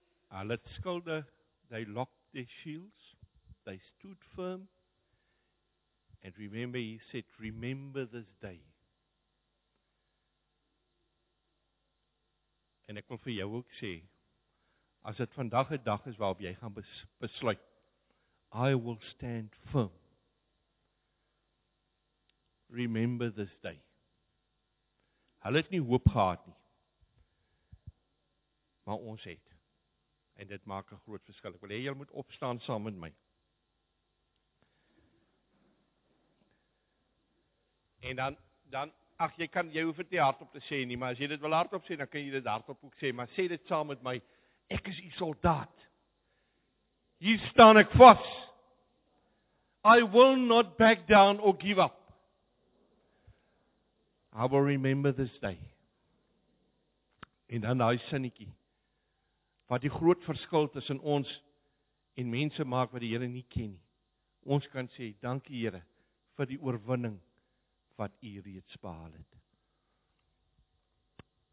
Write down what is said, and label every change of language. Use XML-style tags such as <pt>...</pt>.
<en>Hulle skilde, they locked their shields, they stood firm, and remember, he said, remember this day.</en> <af>En ek wil vir jou ook sê, as dit vandag 'n dag is waarop jy gaan besluit, I will stand firm.</af> <en>Remember this day.</en> <af>Hulle het nie hoop gehad nie, maar ons het. En dit maak 'n groot verskil. Ek wil hê julle moet opstaan saam met my. En dan ag jy kan jy hoef dit nie hardop te sê nie, maar as jy dit wil hardop sê, dan kan jy dit hardop ook sê, maar sê dit saam met my. Ek is u soldaat. Hier staan ek vas.</af> <en>I will not back down or give up. I will remember this day.</en> <af>En dan daai sinnetjie wat die groot verskil tussen ons en mense maak wat die Here nie ken nie. Ons kan sê, dankie Here vir die oorwinning wat U reeds behaal het.</af>